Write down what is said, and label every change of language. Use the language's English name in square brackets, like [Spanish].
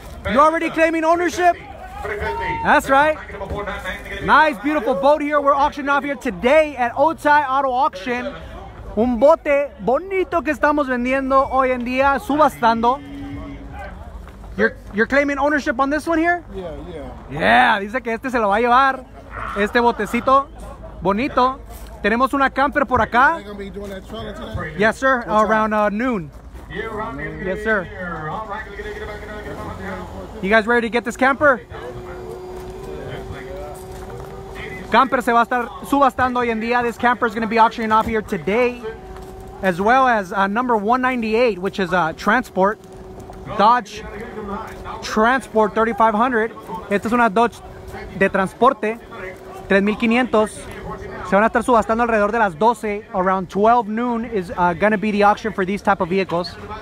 [English] You're already claiming ownership? That's right. Nice, beautiful boat here. We're auctioning off here today at Otay Auto Auction. [Spanish] Un bote bonito que estamos vendiendo hoy en día, subastando. [English] You're claiming ownership on this one here? Yeah. [Spanish] Dice que este se lo va a llevar. Este botecito bonito. Tenemos una camper por acá. [English] Yes, sir. Around noon. Yes, sir. You guys ready to get this camper? [Spanish] Camper se va a estar subastando hoy en día. [English] This camper is going to be auctioning off here today. As well as number 198, which is a transport. [Spanish] Dodge Transport 3500. Esta es una Dodge de transporte. 3500. Se van a estar subastando alrededor de las 12. [English] Around 12 noon is going to be the auction for these type of vehicles.